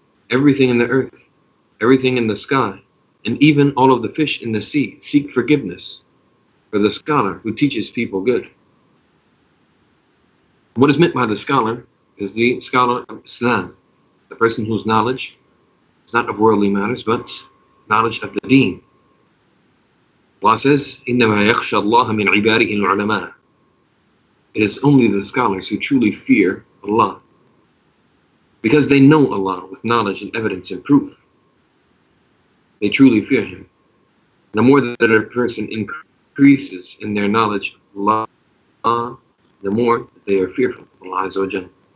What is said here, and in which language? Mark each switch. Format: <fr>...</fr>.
<en>Everything in the earth, everything in the sky, and even all of the fish in the sea seek forgiveness for the scholar who teaches people good. What is meant by the scholar is the scholar of Islam, the person whose knowledge is not of worldly matters, but knowledge of the deen. Allah says,</en> <ar>إِنَّمَا يَخْشَى اللَّهَ مِنْ عِبَادِهِ الْعُلَمَاءِ.</ar> <en>It is only the scholars who truly fear Allah, because they know Allah with knowledge and evidence and proof. They truly fear Him. The more that a person increases in their knowledge of Allah, the more they are fearful of Allah Azza wa Jalla.</en>